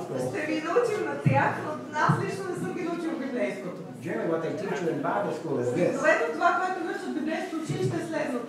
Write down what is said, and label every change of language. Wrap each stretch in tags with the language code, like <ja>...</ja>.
<bg>ще ви научим на тях, но аз лично не съм ги научил в библейското.</bg> <en>Jimmy, what they teach you in Bible school is this.</en> <bg>Ето това, което учат в библейското училище, е следното.</bg>